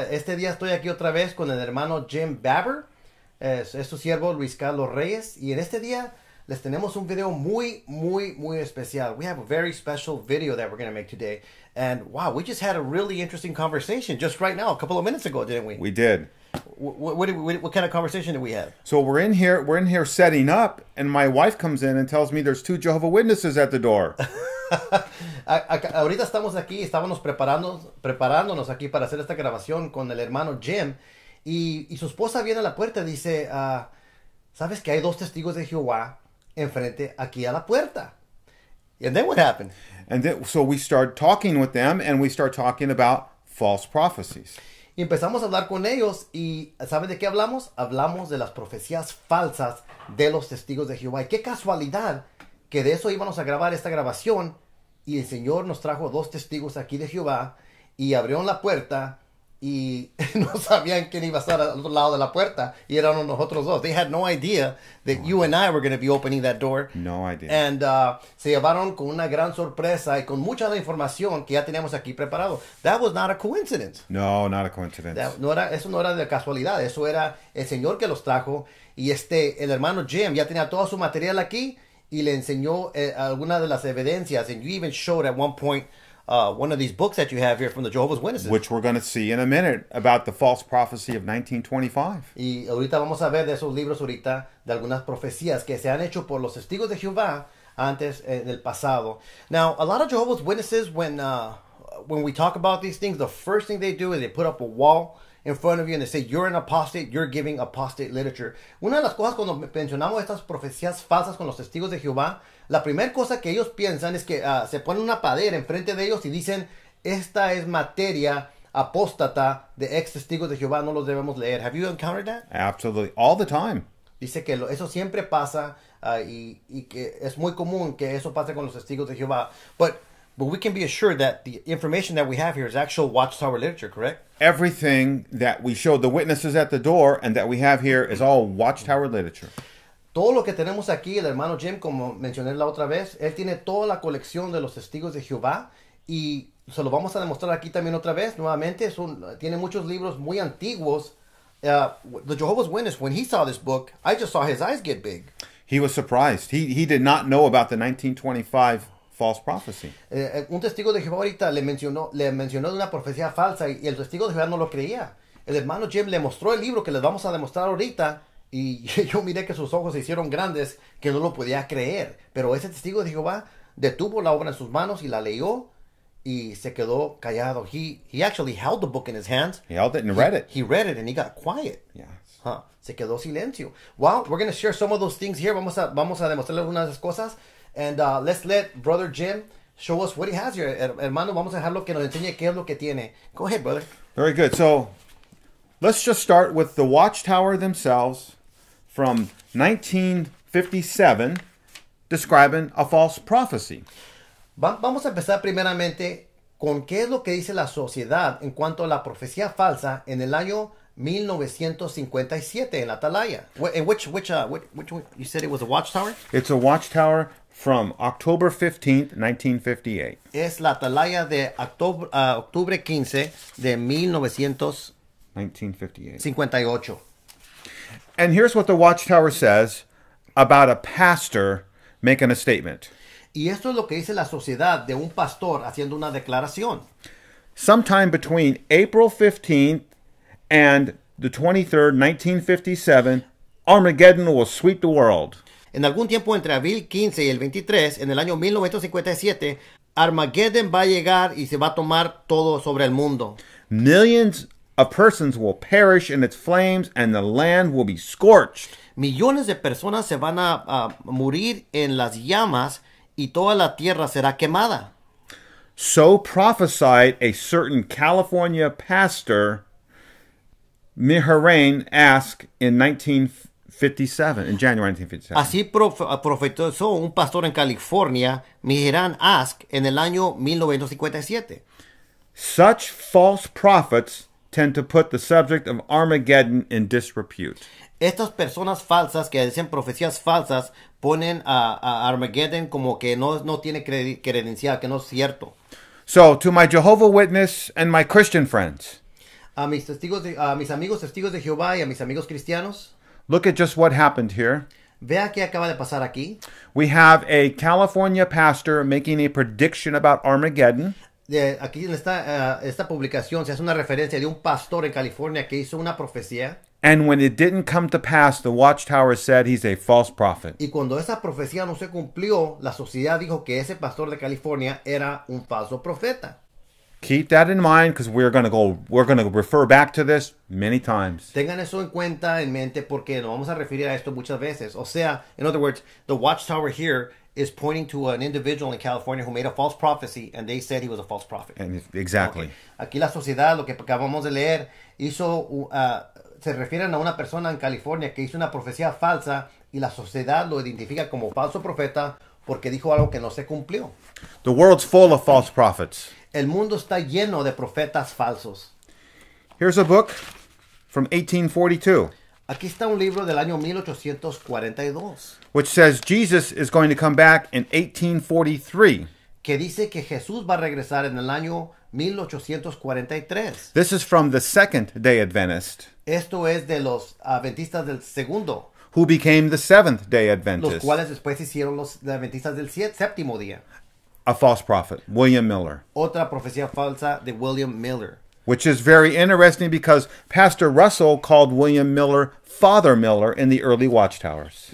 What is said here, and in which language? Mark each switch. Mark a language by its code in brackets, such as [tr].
[es] Este día estoy aquí otra vez con el hermano Jim Babber. Es su siervo Luis Carlos Reyes. Y en este día les tenemos un video muy, muy, muy especial. [en] We have a very special video that we're going to make today. And wow, we just had a really interesting conversation just right now, a couple of minutes ago, didn't we? We did. What kind of conversation did we have? So we're in here setting up, and my wife comes in and tells me there's two Jehovah Witnesses at the door. [es] Ahorita estamos aquí, estábamos preparándonos aquí para hacer esta grabación con el hermano Jim, y su esposa viene a la puerta y dice, ¿sabes que hay dos testigos de Jehová enfrente aquí a la puerta? [en] And then what happened? And then, so we start talking with them, and we start talking about false prophecies. [es] Y empezamos a hablar con ellos y ¿saben de qué hablamos? Hablamos de las profecías falsas de los testigos de Jehová. Y qué casualidad que de eso íbamos a grabar esta grabación y el Señor nos trajo dos testigos aquí de Jehová y abrieron la puerta y no sabían quién iba a estar al otro lado de la puerta y eran nosotros dos. [en] They had no idea that you and I were going to be opening that door. No idea. And [es] se llevaron con una gran sorpresa y con mucha la información que ya teníamos aquí preparado. [en] That was not a coincidence. No, not a coincidence. [es] Eso no era de casualidad. Eso era el Señor que los trajo y el hermano Jim ya tenía todo su material aquí y le enseñó algunas de las evidencias. [en] And you even showed at one point one of these books that you have here from the Jehovah's Witnesses. Which we're going to see in a minute about the false prophecy of 1925. [es] Y ahorita vamos a ver de esos libros ahorita, de algunas profecías que se han hecho por los testigos de Jehová antes en el pasado. [en] Now, a lot of Jehovah's Witnesses, when we talk about these things, the first thing they do is they put up a wall in front of you and they say, you're an apostate, you're giving apostate literature. [es] Una de las cosas cuando mencionamos estas profecías falsas con los testigos de Jehová, la primera cosa que ellos piensan es que se ponen una pared enfrente de ellos y dicen, esta es materia apóstata de ex testigos de Jehová, no los debemos leer. [en] Have you encountered that? Absolutely. All the time. [es] Dice que eso siempre pasa y que es muy común que eso pase con los testigos de Jehová. [en] But we can be assured that the information that we have here is actual Watchtower literature, correct? Everything that we showed the witnesses at the door and that we have here is all Watchtower literature. [es] Todo lo que tenemos aquí, el hermano Jim, como mencioné la otra vez, él tiene toda la colección de los testigos de Jehová y se lo vamos a demostrar aquí también otra vez, nuevamente. Tiene muchos libros muy antiguos. [en] The Jehovah's Witness, when he saw this book, I just saw his eyes get big. He was surprised. He did not know about the 1925 false prophecy. [es] Un testigo de Jehová ahorita le mencionó de una profecía falsa y el testigo de Jehová no lo creía. El hermano Jim le mostró el libro que les vamos a demostrar ahorita. Y yo miré que sus ojos se hicieron grandes, que no lo podía creer. Pero ese testigo de Jehová detuvo la obra en sus manos y la leyó y se quedó callado. [en] He actually held the book in his hands. He held it and read it. He read it and he got quiet. Yes. [es] Huh. Se quedó silencio. [en] Well, we're going to share some of those things here. [es] Vamos a demostrarle algunas de esas cosas. [en] And let's let Brother Jim show us what he has here. [es] Hermano, vamos a dejarlo que nos enseñe qué es lo que tiene. [en] Go ahead, brother. Very good. So let's just start with the Watchtower themselves from 1957 describing a false prophecy. [es] Vamos a empezar primeramente con qué es lo que dice la sociedad en cuanto a la profecía falsa en el año 1957 en la Atalaya. [en] You said it was a Watchtower? It's a Watchtower from October 15th, 1958. [es] Es la Atalaya de octubre 15 de 1958. [en] And here's what the Watchtower says about a pastor making a statement. [es] Y esto es lo que dice la sociedad de un pastor haciendo una declaración. [en] Sometime between April 15th and the 23rd, 1957, Armageddon will sweep the world. [es] En algún tiempo entre abril 15 y el 23, en el año 1957, Armageddon va a llegar y se va a tomar todo sobre el mundo. [en] Millions of persons will perish in its flames and the land will be scorched. [es] Millones de personas se van a morir en las llamas y toda la tierra será quemada. [en] So prophesied a certain California pastor, Mihrain, asked in 1957, in January 1957. [es] Así profetizó un pastor en California, Mihrain Ask, en el año 1957. [en] Such false prophets tend to put the subject of Armageddon in disrepute. [es] Estas personas falsas que dicen profecías falsas ponen a Armageddon como que no tiene credencial, que no es cierto. [en] So, to my Jehovah Witness and my Christian friends. [es] A mis testigos de, mis amigos testigos de Jehová y a mis amigos cristianos. [en] Look at just what happened here. [es] Vea qué acaba de pasar aquí. [en] We have a California pastor making a prediction about Armageddon. [es] De aquí en esta, esta publicación se hace una referencia de un pastor en California que hizo una profecía. [en] And when it didn't come to pass, the Watchtower said he's a false prophet. [es] Y cuando esa profecía no se cumplió, la sociedad dijo que ese pastor de California era un falso profeta. [en] Keep that in mind, because we're going to refer back to this many times. [es] Tengan eso en cuenta en mente, porque nos vamos a referir a esto muchas veces. O sea, [en] in other words, the Watchtower here is pointing to an individual in California who made a false prophecy, and they said he was a false prophet. And exactly. Okay. [es] Aquí la sociedad, lo que acabamos de leer, hizo... se refieren a una persona en California que hizo una profecía falsa y la sociedad lo identifica como falso profeta porque dijo algo que no se cumplió. [en] The world's full of false prophets. [es] El mundo está lleno de profetas falsos. [en] Here's a book from 1842. [es] Aquí está un libro del año 1842. [en] Which says Jesus is going to come back in 1843. [es] Que dice que Jesús va a regresar en el año 1843. [en] This is from the Second Day Adventist. [es] Esto es de los Adventistas del Segundo. [en] Who became the Seventh Day Adventist. [es] Los cuales después hicieron los Adventistas del Séptimo Día. [en] A false prophet, William Miller. [es] Otra profecía falsa de William Miller. [en] Which is very interesting because Pastor Russell called William Miller Father Miller in the early Watchtowers.